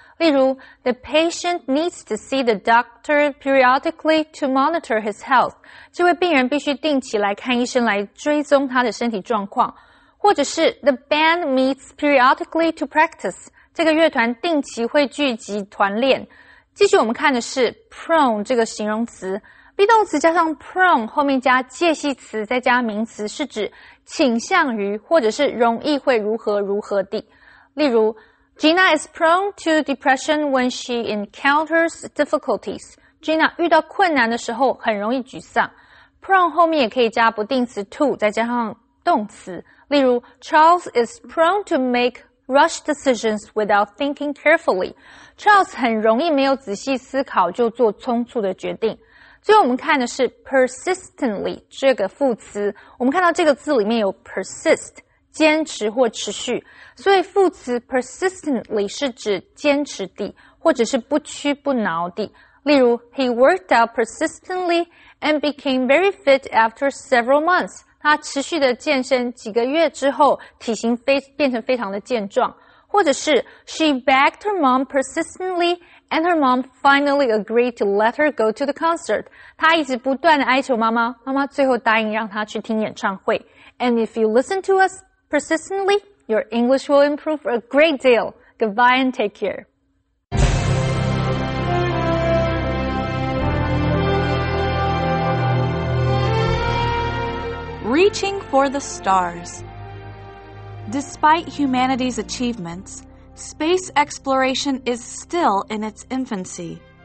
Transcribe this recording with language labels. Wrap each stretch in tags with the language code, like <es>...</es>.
<zh>例如</zh> <en>,the patient needs to see the doctor periodically to monitor his health.</en> <zh>这位病人必须定期来看医生来追踪他的身体状况。或者是</zh> <en>,the band meets periodically to practice.</en> <zh>这个乐团定期会聚集团练。继续我们看的是 prone 这个形容词。 be 动词加上 prone 后面加介系词再加名词是指倾向于或者是容易会如何如何地。例如</zh> <en>,Gina is prone to depression when she encounters difficulties.</en> <zh>Gina 遇到困难的时候很容易沮丧。prone 后面也可以加不定词 to 再加上动词。例如</zh> <en>,Charles is prone to make rush decisions without thinking carefully.</en> <zh>Charles 很容易没有仔细思考就做匆促的决定。最后我们看的是 persistently 这个副词。我们看到这个字里面有 persist, 坚持或持续。所以副词 persistently 是指坚持地或者是不屈不挠地。例如</zh> <en>,he worked out persistently and became very fit after several months.</en> <zh>他持续的健身几个月之后体型变成非常的健壮。或者是</zh> <en>She begged her mom persistently and her mom finally agreed to let her go to the concert.</en> <zh>他一直不断的哀求妈妈，妈妈最后答应让他去听演唱会。</zh> <en>And if you listen to us persistently, your English will improve a great deal. Goodbye and take care. Reaching for the stars. Despite humanity's achievements, space exploration is still in its infancy.</en>